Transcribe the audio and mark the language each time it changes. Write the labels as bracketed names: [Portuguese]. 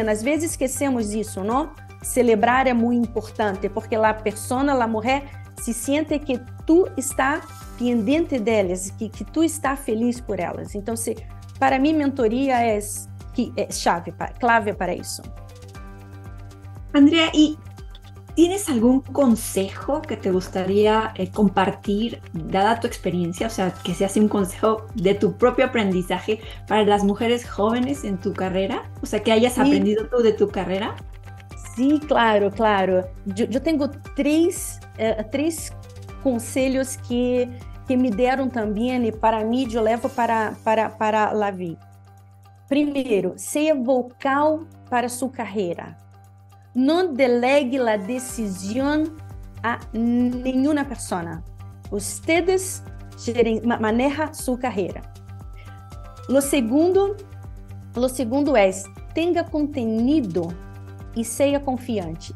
[Portuguese] Às vezes esquecemos isso, não? Celebrar é muito importante, porque a pessoa, a mulher, se sente que tu está pendente delas, que tu está feliz por elas. Então, se, para mim, mentoria é chave, clave para isso. [Spanish] Andrea, e ¿tienes algún consejo que te gustaría compartir, dada tu experiencia, o sea, que sea así un consejo de tu propio aprendizaje para las mujeres jóvenes en tu carrera? O sea, que hayas aprendido tú de tu carrera. Sí, claro, claro. Yo tengo tres consejos que me dieron también y para mí yo llevo para la vida. Primero, sea vocal para su carrera. [Portuguese] Não delegue a decisão a nenhuma pessoa. Vocês manejam sua carreira. O segundo é: tenha conteúdo e seja confiante.